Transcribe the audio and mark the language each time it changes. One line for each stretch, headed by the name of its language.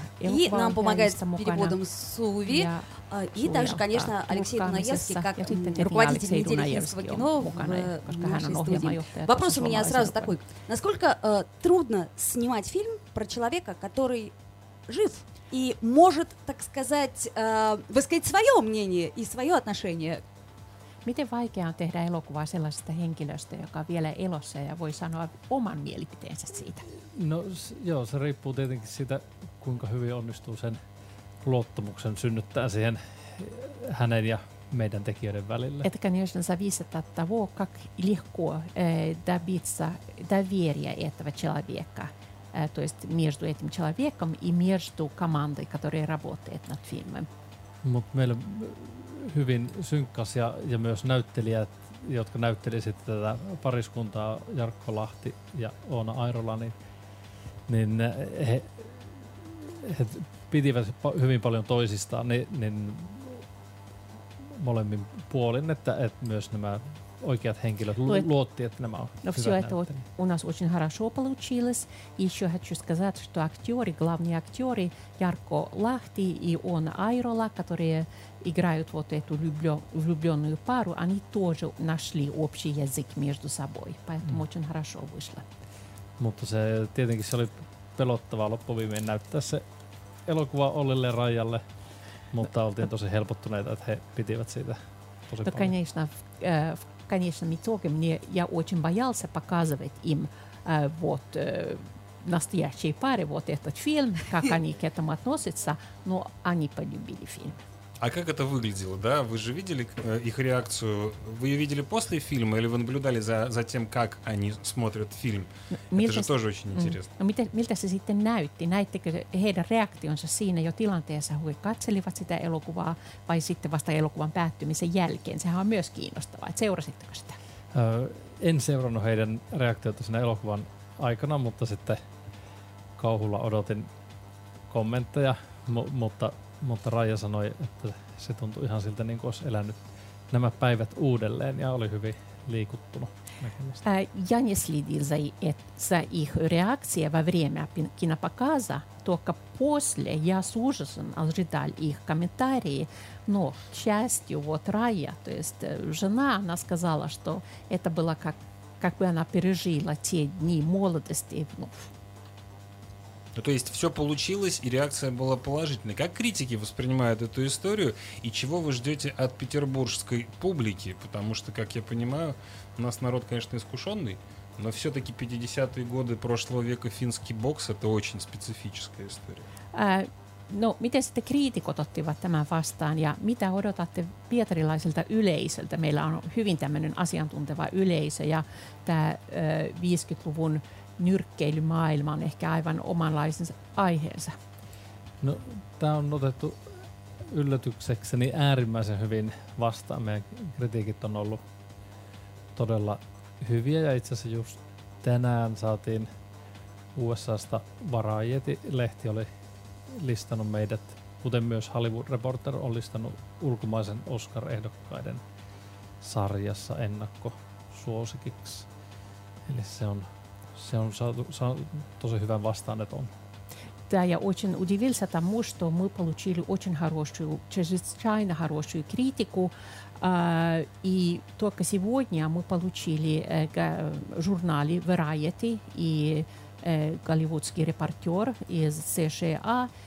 Russian: И нам помогает с переводом Суви. И также, конечно, Алексей Дунаевский, как руководитель недели финского кино в нашей студии. Вопрос у меня сразу такой. Насколько трудно снимать фильм про человека, который жив и может, так сказать, высказать свое мнение и свое отношение?
Finnish: Miten vaikea on tehdä elokuvaa sellaisesta henkilöstä, joka on vielä elossa ja voi sanoa oman mielipiteensä siitä? No joo, se riippuu tietenkin siitä, kuinka hyvin onnistuu sen luottamuksen synnyttää siihen hänen ja meidän tekijöiden välille.
Russian: Это, конечно, зависит от того, как легко добиться доверия этого человека, то есть между этим человеком и между командой, которая работает над фильмом.
Finnish: Mut meillä hyvin synkkas ja myös näyttelijät, jotka näyttelisivät tätä pariskuntaa, Jarkko Lahti ja Oona Airola, niin he pitivät hyvin paljon toisistaan, niin molemmin puolin, että myös nämä oikeat henkilöt luotti, että nämä ovat no, hyvät näyttelijät.
Russian: No, все это у нас очень хорошо получилось. Еще хочу сказать, что актеры, главные актеры Ярко Лахти и он Айрола, которые играют вот эту влюбленную пару, они тоже нашли общий язык между собой. Поэтому очень хорошо вышло.
Finnish: Mutta se tietenkin se oli pelottavaa loppuviimein näyttää se elokuva Ollille Rajalle, mutta oltiin tosi helpottuneita, että he pitivät siitä tosi paljon.
Russian: Конечно, в конечном итоге мне я очень боялся показывать им вот настоящие пары вот этот фильм, как они к этому относятся, но они полюбили фильм. А как это выглядело, да? Вы же видели их реакцию? Вы ее видели после фильма или вы наблюдали за тем, как они смотрят фильм? Это же тоже очень интересно.
Finnish: Miltä se sitten näytti? Näittekö heidän reaktionsa siinä jo tilanteessa, kun katselivat sitä elokuvaa, vai sitten vasta elokuvan päättymisen jälkeen? Sehän on myös kiinnostavaa. Seurasitteko sitä? En seurannut heidän reaktiota siinä elokuvan aikana, mutta sitten kauhulla odotin kommentteja, mutta Raija sanoi, että se tuntui ihan siltä, niin kuin olisi elänyt nämä päivät uudelleen ja oli hyvin liikuttunut.
Russian: Я не следил за их реакцией во время кинопоказа, только после я с ужасом ожидал их комментарии. Но, к счастью, вот Райя, то есть жена, она сказала, что это было как бы она пережила те дни молодости и вновь. Ну, то есть все получилось, и реакция была положительной. Как критики воспринимают эту историю, и чего вы ждете от петербургской публики? Потому что, как я понимаю, у нас народ, конечно, искушенный, но все-таки 50-е годы прошлого века финский бокс – это очень специфическая история.
Finnish: No, miten sitten kriitikot ottivat tämän vastaan ja mitä odotatte pietarilaiselta yleisöltä? Meillä on hyvin tämmöinen asiantunteva yleisö ja tämä 50-luvun nyrkkeilymaailma on ehkä aivan omanlaisensa aiheensa. No, tämä on otettu yllätyksekseni äärimmäisen hyvin vastaan. Meidän kritiikit on ollut todella hyviä ja itse asiassa just tänään saatiin USA:sta Variety-lehti oli listannut meidät, kuten myös Hollywood Reporter on listannut ulkomaisen Oscar-ehdokkaiden sarjassa ennakkosuosikiksi. Eli se on saatu tosi hyvän vastaanoton.
Russian: Да, я очень удивился тому, что мы получили очень хорошую, чрезвычайно хорошую критику. И только сегодня мы получили журналы Variety и голливудский репортер из США.